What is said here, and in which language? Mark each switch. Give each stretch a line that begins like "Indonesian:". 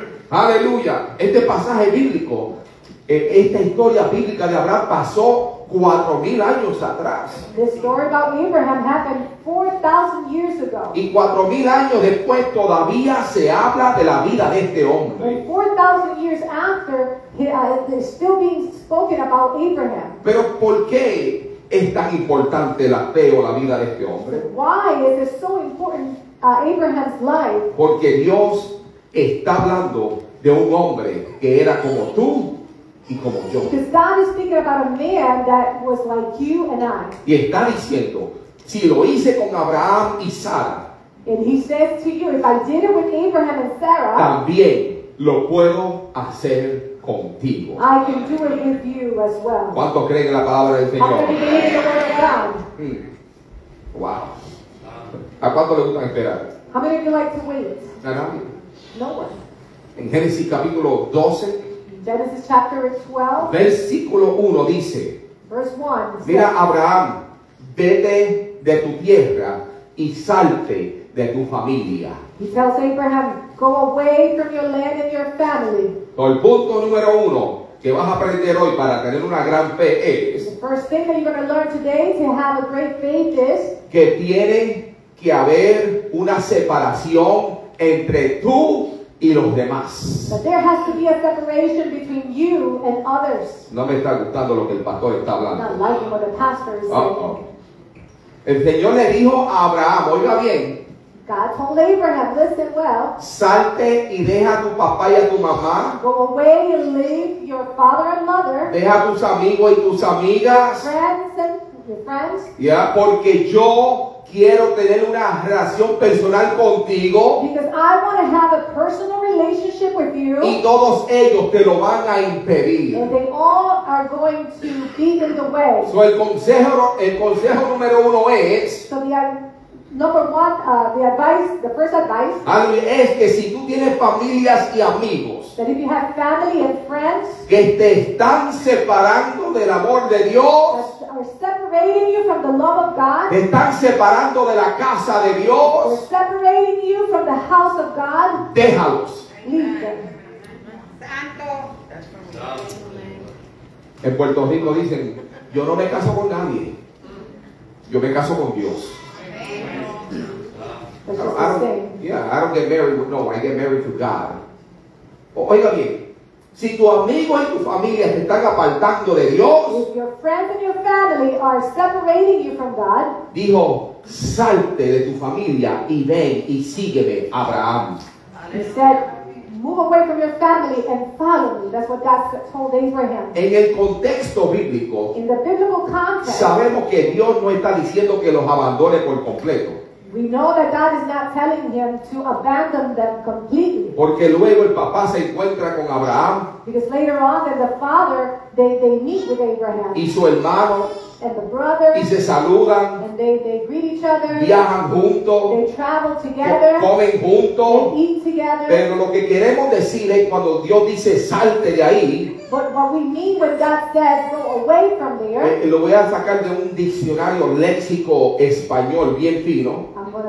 Spanish: Aleluya, este pasaje bíblico, esta historia bíblica de Abraham pasó 4,000 años atrás.
English: This story about Abraham happened 4,000 years ago.
Spanish: Y 4,000 años después todavía se habla de la vida de este hombre.
English: And 4,000 years after, it's still being spoken about Abraham.
Spanish: Pero ¿por qué es tan importante la fe o la vida de este hombre?
English: But why is it so important, Abraham's life?
Spanish: Porque Dios está hablando de un hombre que era como tú.
English: Because God is speaking about a man that was like you and I.
Spanish: Y está diciendo, si lo hice con Abraham y Sara,
English: and he says to you, if I did it with Abraham and Sarah,
Spanish: también lo puedo hacer contigo.
English: I can do it with you as well.
Spanish: ¿Cuánto creen en la palabra del Señor?
English: How can you believe in the word of God?
Spanish: Wow. ¿A cuánto le gusta esperar?
English: How many of you like to wait?
Spanish: Nadie.
English: No one.
Spanish: En Génesis capítulo 12.
English: Genesis chapter 12.
Spanish: Versículo 1 dice.
English: Verse 1.
Spanish: Mira, Abraham, vete de tu tierra y salte de tu familia.
English: He tells Abraham, go away from your land and your family.
Spanish: El punto número uno que vas a aprender hoy para tener una gran fe es
English: the first thing that you're going to learn today to have a great faith is
Spanish: que tiene que haber una separación entre tú y los demás.
English: But there has to be a separation between you and others.
Spanish: No me está gustando lo que el pastor está hablando.
English: Not liking what the pastor is saying.
Spanish: El Señor le dijo a Abraham, oiga bien,
English: God told Abraham, listen well,
Spanish: salte y deja a tu papá y a tu mamá,
English: go away and leave your father and mother,
Spanish: deja a tus amigos y tus amigas,
English: friends and your friends,
Spanish: yeah, porque yo quiero tener una relación personal contigo,
English: because I want to have a personal relationship with you,
Spanish: y todos ellos te lo van a impedir,
English: and they all are going to be in the way.
Spanish: So el consejo número uno es,
English: so the first advice
Spanish: es que si tú tienes familias y amigos,
English: that if you have family and friends,
Spanish: que te están separando del amor de Dios,
English: are separating you from the love of God,
Spanish: te están separando de la casa de Dios,
English: are separating you from the house of God,
Spanish: déjalos. Santo. En Puerto Rico dicen, yo no me caso con nadie, yo me caso con Dios.
English: I don't get married with no one. I get married to God.
Spanish: Oiga bien, si tu amigo y tu familia te están apartando de Dios,
English: if your friends and your family are separating you from God,
Spanish: dijo, salte de tu familia y ven y sígueme, Abraham.
English: He said, move away from your family and follow me. That's what God told Abraham.
Spanish: En el contexto bíblico,
English: in the biblical context,
Spanish: sabemos que Dios no está diciendo que los abandone por completo.
English: We know that God is not telling him to abandon them completely.
Spanish: Porque luego el papá se encuentra con Abraham.
English: Because later on, then the father, they meet with Abraham.
Spanish: Y su hermano.
English: And the brothers.
Spanish: Y se saludan.
English: And they greet each other.
Spanish: Viajan juntos.
English: They travel together.
Spanish: Comen juntos.
English: They eat together.
Spanish: Pero lo que queremos decir es cuando Dios dice salte de ahí.
English: But what we mean when God says go away from there.
Spanish: Lo voy a sacar de un diccionario léxico español bien fino.